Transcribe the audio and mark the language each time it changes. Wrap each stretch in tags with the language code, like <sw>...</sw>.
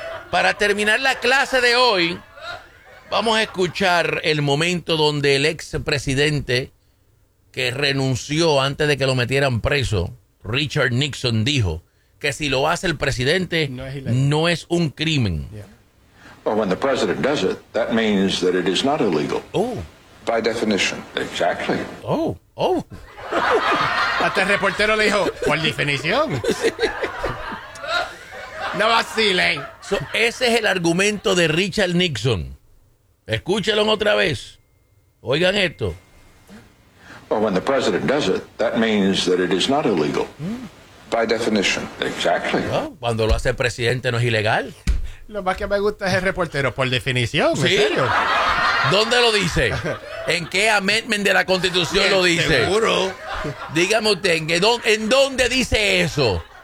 <es>Para terminar la clase de hoy. Vamos a escuchar el momento donde el ex presidente que renunció antes de que lo metieran preso, Richard Nixon, dijo que si lo hace el presidente no es un crimen.</es> <en>Well, when the president does it, that means that it is not illegal. Oh. By definition. Exactly. Oh.</en> <es>Hasta el reportero le dijo, por definición. No vacilen. So, ese es el argumento de Richard Nixon. Escúchelo otra vez. Oigan esto.</es> <en>Well, when the president does it, that means that it is not illegal. Mm. By definition. Exactly.</en> <es>Well, cuando lo hace el presidente no es ilegal. Lo más que me gusta es el reportero, por definición. ¿Sí? ¿En serio? ¿Dónde lo dice? ¿En qué amendment de la Constitución lo dice? Seguro. Dígame usted, ¿en dónde dice eso?</es>